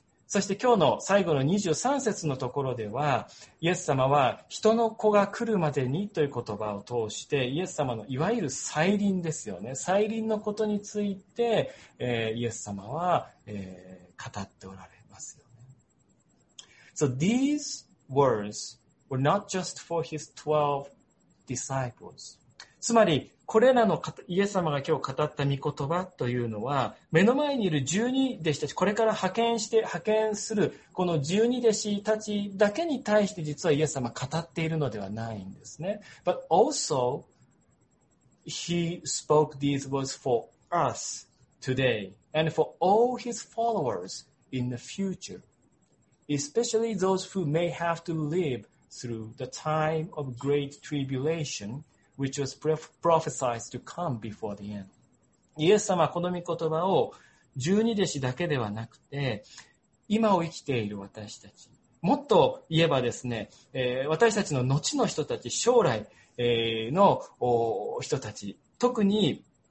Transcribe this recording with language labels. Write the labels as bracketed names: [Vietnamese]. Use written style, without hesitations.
[Japanese] そして今日の最後の23節のところでは、イエス様は人の子が来るまでにという言葉を通して、イエス様のいわゆる再臨ですよね、再臨のことについて、イエス様は、語っておられますよね。 [English] So these words were not just for his 12 disciples。 [Japanese] つまりこれらのイエス様が今日語った御言葉というのは、目の前にいる十二弟子たち、これから派遣するこの十二弟子たちだけに対して実はイエス様語っているのではないんですね。 [English] But also, he spoke these words for us today and for all his followers in the future, especially those who may have to live through the time of great tribulation. Which was prophesized to come before the end. [Japanese] イエス様はこの御言葉を十二弟子だけではなくて、今を生きている私たち、もっと言えばですね、私たちの後の人たち、将来の人たち、特に